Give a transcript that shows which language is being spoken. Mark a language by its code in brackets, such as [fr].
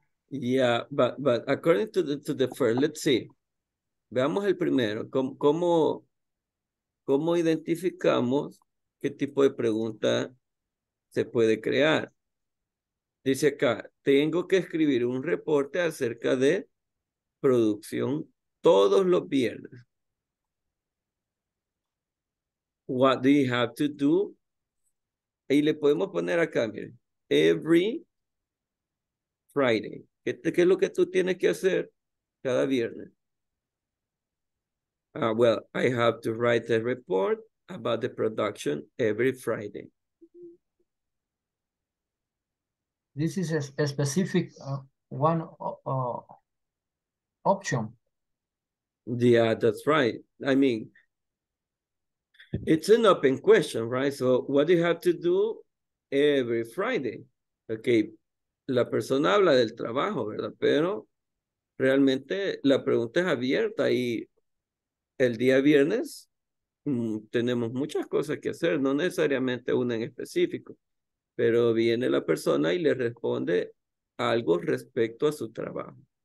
[en] Yeah, but according to the first, let's see. [es] Veamos el primero. ¿Cómo identificamos qué tipo de pregunta se puede crear? Dice acá, tengo que escribir un reporte acerca de producción todos los viernes. [en] What do you have to do? [es] Y le podemos poner acá, miren, [en] every Friday. [es] ¿Qué es lo que tú tienes que hacer cada viernes? [en] Well, I have to write a report about the production every Friday. This is a specific one option. Yeah, that's right. I mean, it's an open question, right? So what do you have to do every Friday? [es] Okay, la persona habla del trabajo, ¿verdad? Pero realmente la pregunta es abierta y el día viernes tenemos muchas cosas que hacer, no necesariamente una en específico. Pero viene la persona y le responde algo respecto a su trabajo.